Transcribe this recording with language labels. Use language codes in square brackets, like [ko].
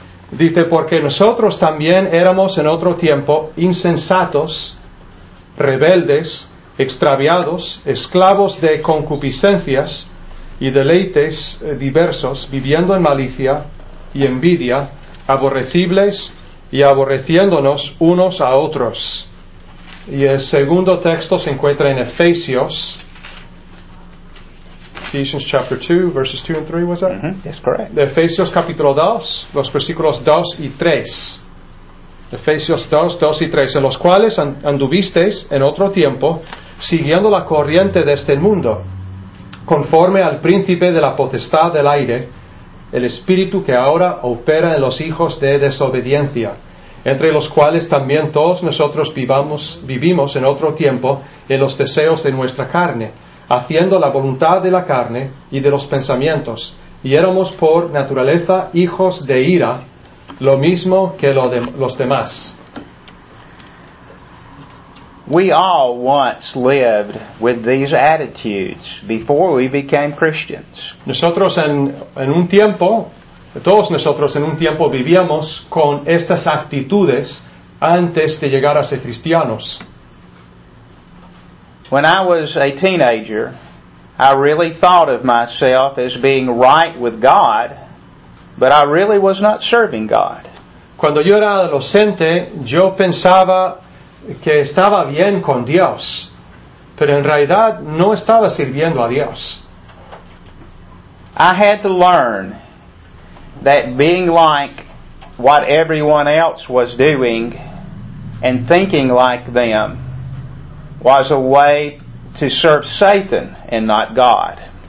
[es] Dice, porque nosotros también éramos en otro tiempo insensatos, rebeldes, extraviados, esclavos de concupiscencias y deleites diversos, viviendo en malicia y envidia, aborrecibles y aborreciéndonos unos a otros. Y el segundo texto se encuentra en Efesios. [en] Ephesians chapter 2, verses 2 and 3, was that? Mm-hmm. That's correct. [es] De Efesios capítulo 2, los versículos 2 y 3. Efesios 2, 2 y 3. En los cuales anduvisteis en otro tiempo, siguiendo la corriente de este mundo, conforme al príncipe de la potestad del aire, el espíritu que ahora opera en los hijos de desobediencia, entre los cuales también todos nosotros vivimos en otro tiempo en los deseos de nuestra carne, haciendo la voluntad de la carne y de los pensamientos, y éramos por naturaleza hijos de ira, lo mismo que los demás. [en] We all once lived with these attitudes before we became Christians. [es] Nosotros en un tiempo, todos nosotros en un tiempo vivíamos con estas actitudes antes de llegar a ser cristianos. [en] When I was a teenager, I really thought of myself as being right with God, but I really was not serving God. [es] Cuando yo era adolescente, yo pensaba que estaba bien con Dios, pero en realidad no estaba sirviendo a Dios. [en] I had to learn that being like what everyone else was doing and thinking like them was a way to serve Satan and not God.